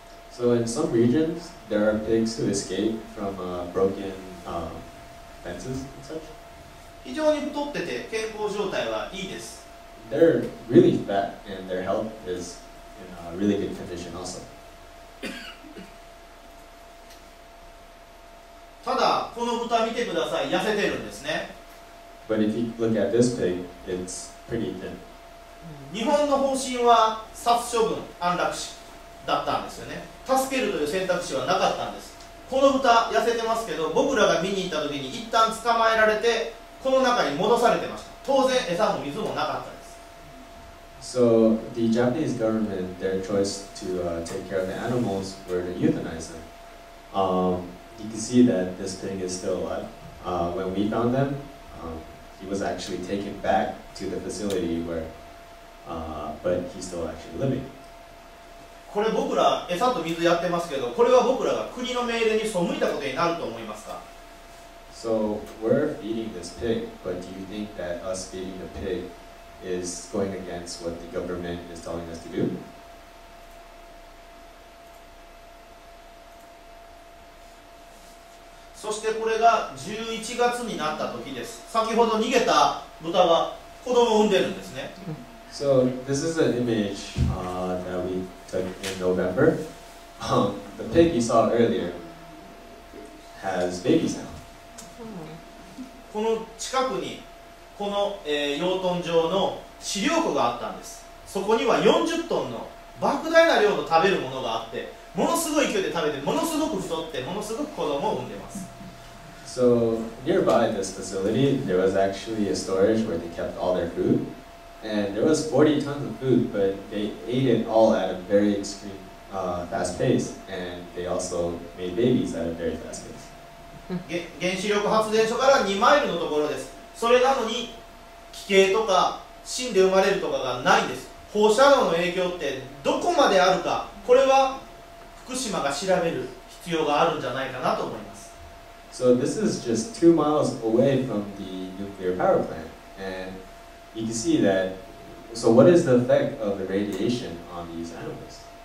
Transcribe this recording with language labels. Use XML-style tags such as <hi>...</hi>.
<en>So in some regions, there are pigs who escape from broken fences and such.</en> <ja>非常に太ってて健康状態はいいです。</ja> <en>They're really fat and their health is in a really good condition also.</en> <ja>ただこの豚見てください。痩せてるんですね。</ja> <en>But if you look at this pig, it's pretty thin.</en> <ja>日本の方針は殺処分、安楽死だったんですよね。助けるという選択肢はなかったんです。この豚痩せてますけど、僕らが見に行った時に一旦捕まえられてこの中に戻されてました。当然餌も水もなかったです。</ja> <en>So the Japanese government, their choice to take care of the animals were to euthanize them. You can see that this pig is still alive. When we found them, he was actually taken back to the facility where, but he's still actually living.</en> <ja>これ僕ら餌と水やってますけど、これは僕らが国の命令に背いたことになると思いますか?</ja> <en>So we're feeding this pig, but do you think that us feeding the pig? Is going against what the government is telling us to do.</en> <ja>そしてこれが11月になった時です。先ほど逃げた豚は子供を産んでるんですね。</ja> <en>So this is an image that we took in November. The pig you saw earlier has babies now.</en> <ja>この近くにこの、養豚場の飼料庫があったんです。そこには40トンの莫大な量の食べるものがあって、ものすごい勢いで食べて、ものすごく太って、ものすごく子供を産んでます。</ja> <en>So, nearby this facility, there was actually a storage where they kept all their food. And there was 40 tons of food, but they ate it all at a very extreme, fast pace. And they also made babies at a very fast pace.</en> <ja>原子力発電所から2マイルのところです。それなのに、危険とか死んで生まれるとかがないんです。放射能の影響ってどこまであるか、これは福島が調べる必要があるんじゃないかなと思います。</ja> <en>So this is just 2 miles away from the nuclear power plant. And you can see that, so what is the effect of the radiation on these animals?</en>